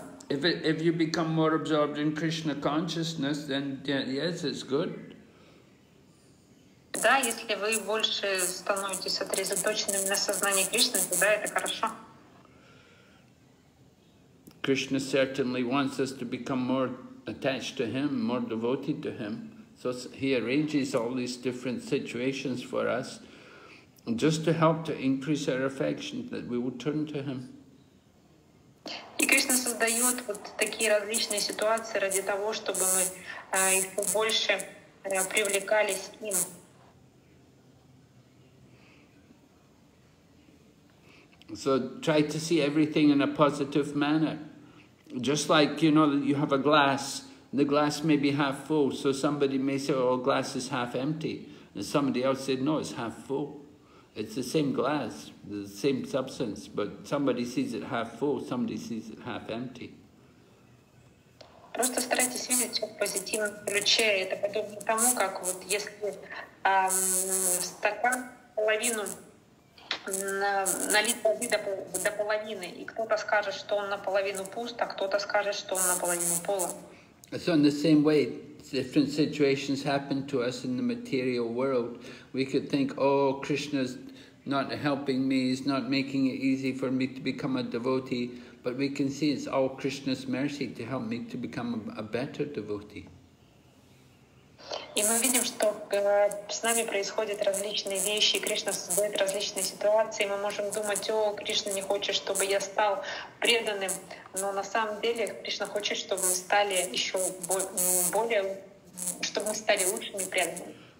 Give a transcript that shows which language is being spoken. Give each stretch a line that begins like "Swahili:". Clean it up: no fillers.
English: If you become more absorbed in Krishna consciousness, then yes, it's good.
Russian: Да, если вы больше становитесь сосредоточенным на сознании Кришны, тогда это хорошо.
English: Krishna certainly wants us to become more attached to Him, more devoted to Him. So He arranges all these different situations for us, just to help to increase our affection, that we will turn to Him.
Russian: И Кришна создает вот такие различные ситуации ради того, чтобы мы еще больше привлекались к Ним.
English: So try to see everything in a positive manner. Just like, you know, you have a glass, the glass may be half full, so somebody may say, oh, glass is half empty, and somebody else said, no, it's half full. It's the same glass, the same substance, but somebody sees it half full, somebody sees it half empty.
Russian: Просто старайтесь видеть все в позитивном ключе. Это подобно тому, как вот если стакан половину налить воды до половины, и кто-то скажет, что он наполовину пуст, а кто-то скажет, что он наполовину полон.
English: So in the same way, different situations happen to us in the material world. We could think, oh, Krishna's not helping me, he's not making it easy for me to become a devotee. But we can see it's all Krishna's mercy to help me to become a better devotee.
Russian: И мы видим, что с нами происходят различные вещи, Кришна создает различные ситуации. Мы можем думать, о, Кришна не хочет, чтобы я стал преданным, но на самом деле Кришна хочет, чтобы мы стали еще более, чтобы мы стали лучшими преданными.